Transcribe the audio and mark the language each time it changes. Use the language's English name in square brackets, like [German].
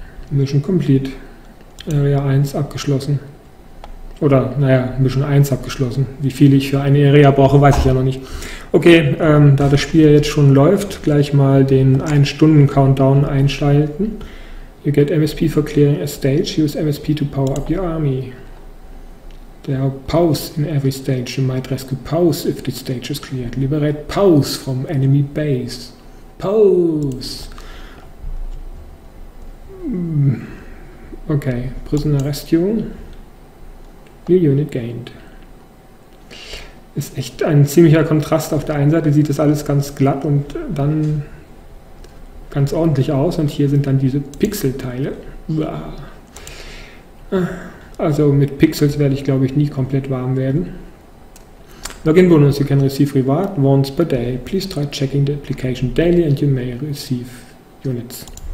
[English] Mission complete. [German] Area 1 abgeschlossen. Oder, naja, Mission 1 abgeschlossen. Wie viel ich für eine Area brauche, weiß ich ja noch nicht. Okay, da das Spiel jetzt schon läuft, gleich mal den 1-Stunden-Countdown einschalten. [English] You get MSP for clearing a stage. Use MSP to power up your army. There are POWs in every stage. You might rescue POWs if the stage is cleared. Liberate POWs from enemy base. POWs! Okay, prisoner rescue. New unit gained. [German] Ist echt ein ziemlicher Kontrast. Auf der einen Seite sieht das alles ganz glatt und dann ganz ordentlich aus. Und hier sind dann diese Pixelteile. Also mit Pixels werde ich, glaube ich, nie komplett warm werden. [English] Login Bonus, you can receive reward once per day. Please try checking the application daily and you may receive units.